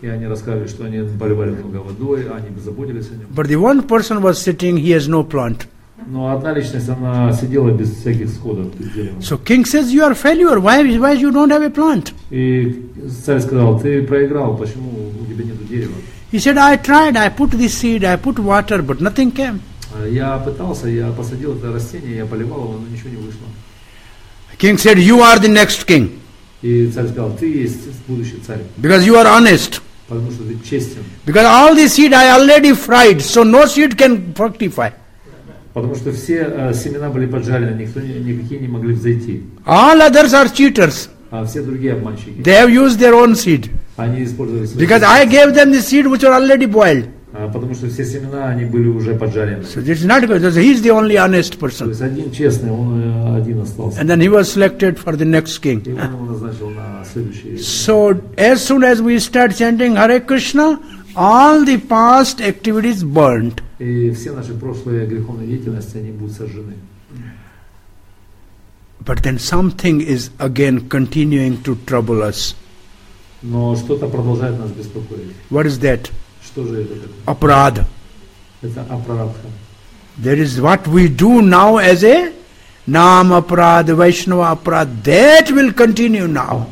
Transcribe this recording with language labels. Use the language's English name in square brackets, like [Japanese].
[Russian] И они рассказывали, что они поливали много водой, они заботились о нем. [English] But the one person was sitting. He has no plant. [Russian] Но одна личность, она сидела без всяких сходов. [English] So king says, you are failure. Why you don't have a plant? [Russian] И царь сказал, ты проиграл, почему у тебя нет дерева? [English] He said, I tried, I put the seed, I put water, but nothing came. [Russian] Я пытался, я посадил это растение, я поливал его, но ничего не вышло. [English] King said, you are the next king. [Russian] И царь сказал, ты есть будущий царь. [English] Because you are honest. [Russian] Потому что ты честен. [English] Because all the seed I already fried, so no seed can fructify. [Russian] Потому что все семена были поджарены, никакие не могли взойти. [English] All others are cheaters. [Russian] А все другие обманщики. [English] They have used their own seed. [Russian] Они использовали свои. [English] Because I gave them the seed which were already boiled. [Russian] Потому что все семена они были уже поджарены. [English] So this is not because he is the only honest person. [Russian] То есть один честный, он один остался. [English] And then he was selected for the next king. [Russian] И он его назначил на следующий. [English] So as soon as we start chanting Hare Krishna, all the past activities burnt. [Russian] И все наши прошлые греховные деятельности, они будут сожжены. [English] But then something is again continuing to trouble us. [Russian] Но что-то продолжает нас беспокоить. [English] What is that? [Russian] Что же это такое? Апрада. Это апрадха. [English] There is what we do now as a Nama Prad, Vaishnava Prad, that will continue now.